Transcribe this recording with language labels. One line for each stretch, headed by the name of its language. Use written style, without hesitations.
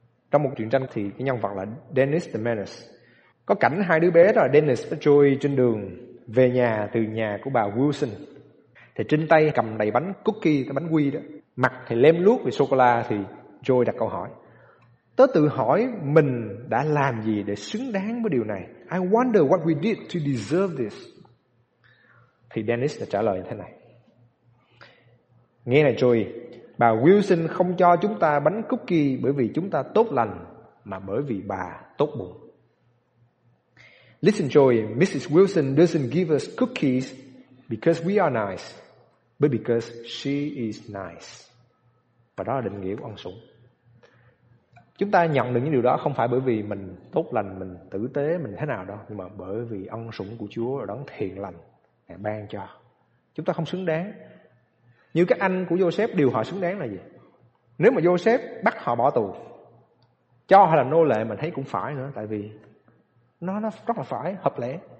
Vietnamese: Trong một truyện tranh thì cái nhân vật là Dennis the Menace. Có cảnh hai đứa bé đó là Dennis và Joy trên đường về nhà từ nhà của bà Wilson. Thì trên tay cầm đầy bánh cookie, cái bánh quy đó. Mặt thì lem luốc vì sô-cô-la, thì Joy đặt câu hỏi. Tớ tự hỏi mình đã làm gì để xứng đáng với điều này.
English: I wonder what we did to deserve this.
Vietnamese: Thì Dennis đã trả lời như thế này. Nghe này Joy, bà Wilson không cho chúng ta bánh cookie bởi vì chúng ta tốt lành, mà bởi vì bà tốt bụng.
English: Listen Joy, Mrs. Wilson doesn't give us cookies because we are nice, but because she is nice.
Vietnamese: Và đó là định nghĩa của ân sủng. Chúng ta nhận được những điều đó không phải bởi vì mình tốt lành, mình tử tế, mình thế nào đâu, nhưng mà bởi vì ân sủng của Chúa là đấng thiện lành Ngài ban cho. Chúng ta không xứng đáng. Như các anh của Joseph, điều họ xứng đáng là gì? Nếu mà Joseph bắt họ bỏ tù, cho họ là nô lệ, mình thấy cũng phải nữa, tại vì nó rất là phải, hợp lẽ.